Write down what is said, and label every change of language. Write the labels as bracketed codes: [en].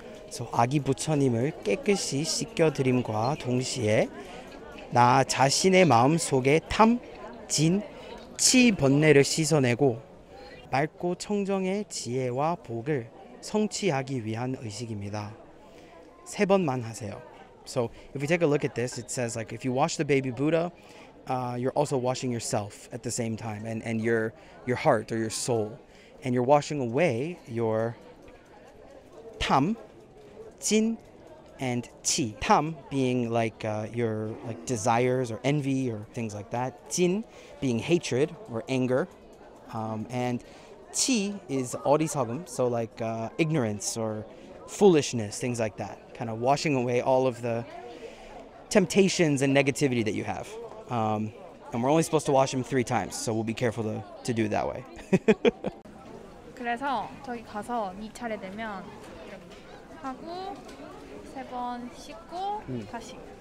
[ko] So 아기 부처님을 깨끗이 씻겨드림과 동시에 나 자신의 마음 속에 탐, 진, 치 번뇌를 씻어내고 맑고 청정의 지혜와 복을 성취하기 위한 의식입니다. 세 번만 하세요. [en] So if we take a look at this, it says like if you wash the baby Buddha, you're also washing yourself at the same time and your heart or your soul. And you're washing away your tam, jin, and qi. Tam being like your like desires or envy or things like that. Jin being hatred or anger. And qi is orisagum, so like ignorance or foolishness, things like that. Kind of washing away all of the temptations and negativity that you have. And we're only supposed to wash them three times, so we'll be careful to do it that way. [ko] 그래서 저기 가서 네 차례 되면 하고 세 번 씻고 다시